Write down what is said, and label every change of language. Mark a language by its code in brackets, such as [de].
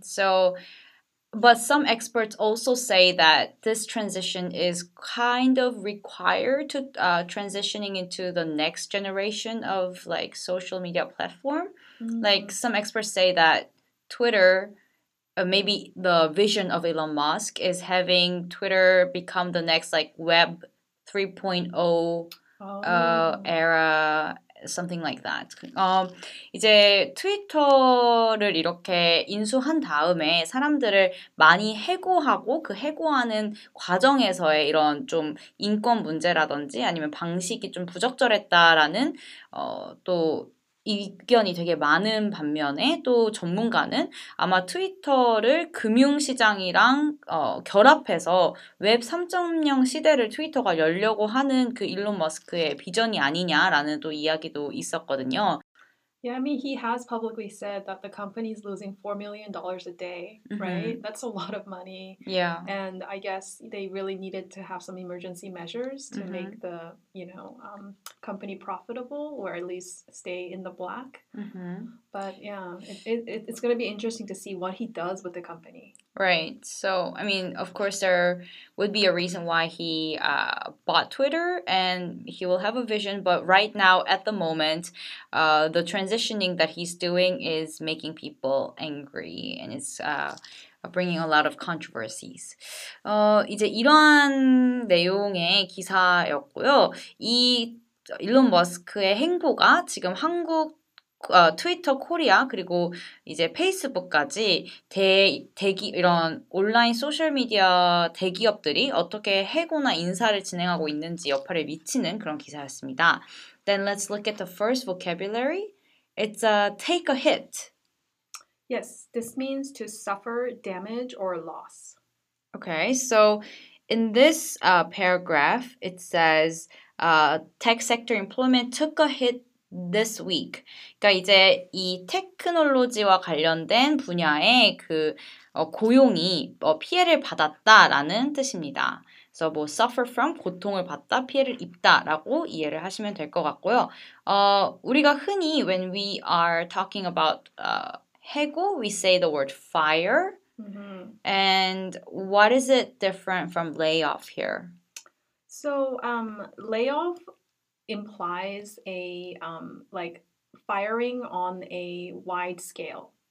[en] So but some experts also say that this transition is kind of required to transitioning into the next generation of like social media platform. Mm-hmm. Like some experts say that Twitter, maybe the vision of Elon Musk is having Twitter become the next like web 3.0 era, something like that. [ko] 이제 트위터를 이렇게 인수한 다음에 사람들을 많이 해고하고 그 해고하는 과정에서의 이런 좀 인권 문제라든지 아니면 방식이 좀 부적절했다라는 또 의견이 되게 많은 반면에 또 전문가는 아마 트위터를 금융시장이랑 결합해서 웹 3.0 시대를 트위터가 열려고 하는 그 일론 머스크의 비전이 아니냐라는 또 이야기도 있었거든요. [en] Yeah, I mean, he has publicly said that the company is losing $4 million a day, right? That's a lot of money. Yeah. And I guess they really needed to have some emergency measures to make the, you know, company profitable or at least stay in the black. But yeah, it's going to be interesting to see what he does with the company. Right. So, I mean, of course, there would be a reason why he bought Twitter and he will have a vision. But right now, at the moment, the transitioning that he's doing is making people angry and it's bringing a lot of controversies. [ko] 이제 이러한 내용의 기사였고요. 이 일론 머스크의 행보가 지금 한국 트위터 코리아 그리고 이제 페이스북까지 대기 이런 온라인 소셜 미디어 대기업들이 어떻게 해고나 인사를 진행하고 있는지 여파를 미치는 그런 기사였습니다. [en] Then let's look at the first vocabulary. It's a take a hit. Yes, this means to suffer damage or loss. Okay, so in this paragraph, it says tech sector employment took a hit. This week. [ko] 그러니까 이제 이 테크놀로지와 관련된 분야의 그 고용이 뭐 피해를 받았다라는 뜻입니다. So 뭐 [en] suffer from [ko] 고통을 받다, 피해를 입다라고 이해를 하시면 될 것 같고요. 우리가 흔히 [en] when we are talking about 해고, we say the word fire. And what is it different from layoff here? So layoff implies a like firing on a wide scale.